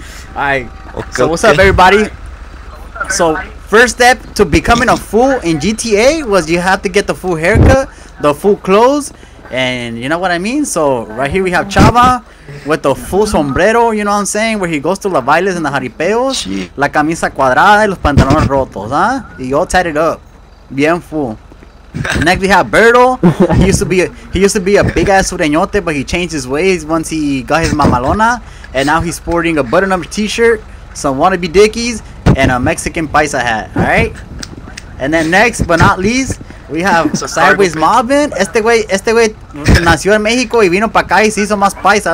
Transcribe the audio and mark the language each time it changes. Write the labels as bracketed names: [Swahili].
[English] Alright. Okay. So what's up, everybody? So first step to becoming a fool in GTA was you have to get the full haircut, the full clothes, and you know what I mean? So right here we have Chava with the full sombrero, you know what I'm saying, where he goes to the bailes and the jaripeos. Jeez. [Spanish] La camisa cuadrada y los pantalones rotos, huh? Y yo [English] tied it up. [Spanish] Bien [English] full. Next we have Berto. He used to be a big ass sureñote, but he changed his ways once he got his mamalona, and now he's sporting a button up t-shirt, some wannabe dickies, and a Mexican paisa hat. Alright? And then next but not least, we have Sideways Marvin. [Spanish] Este güey nació en Mexico y vino pa' acá y se hizo más paisa.